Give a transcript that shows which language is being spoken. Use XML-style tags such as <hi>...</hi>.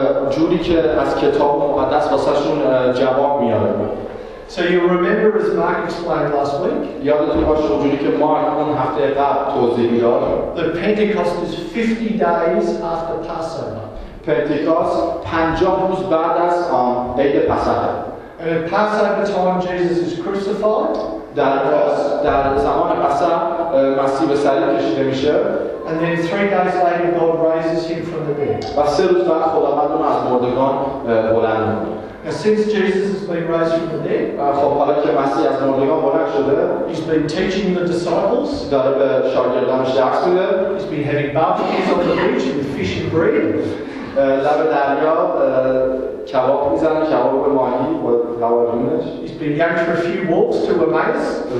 <fa>جوری که از کتاب مقدس واسهشون جواب میاد.</fa> <en>So you remember as Mark explained last week?</en> <fa>یادتون باشه جوری که مارک اون هفته قبل توضیح میداد.</fa> <en>The Pentecost is 50 days after Passover.</en> <fa>پنتیکاست 50 روز بعد از عید پسحا.</fa> <en>And at Passover time Jesus is crucified.</en> <fa>در زمان پسحا مسیح به صلیب کشیده میشه.</fa> <en>And then 3 days later God raises him from the dead.</en> <fa>و 3 روز بعد خداوند اون از مردگان بلند میکنه.</fa> <en>Now since Jesus has been raised from the dead,</en> <fa>خب حالا که مسیح از مردگان بلند شده,</fa> <en>he's been teaching the disciples.</en> <fa>داره به شاگردانش درس میده.</fa> <en>He's been having barbecues on the beach and fish and bread.</en> <fa>لب دریا کباب میزنه, کباب ماهی و لواحینش.</fa> <en>He's been going for a few walks to Emmaus.</en>